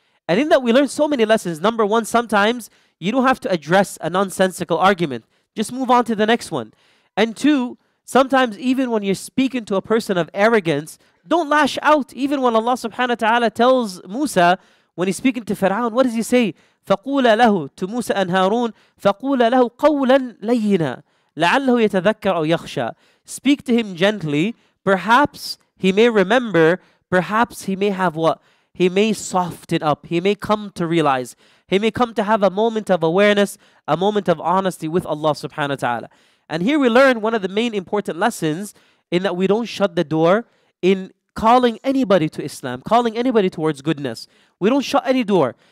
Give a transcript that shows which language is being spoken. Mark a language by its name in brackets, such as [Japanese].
[English] And in that, we learned so many lessons. Number one, sometimes you don't have to address a nonsensical argument. Just move on to the next one. And two, sometimes even when you're speaking to a person of arrogance, don't lash out. Even when Allah subhanahu wa ta'ala tells Musa, when he's speaking to Fir'aun, what does he say? [Arabic] فَقُولَ لَهُ [English] to Musa and Harun, [Arabic] فَقُولَ لَهُ قَوْلًا لَيِّنًا لَعَلَّهُ يَتَذَكَّرْ أَوْ يَخْشَى. [English] Speak to him gently. Perhaps he may remember. Perhaps he may have what? He may soften up. He may come to realize. He may come to have a moment of awareness, a moment of honesty with Allah subhanahu wa ta'ala. And here we learn one of the main important lessons in that we don't shut the door in calling anybody to Islam, calling anybody towards goodness. We don't shut any door.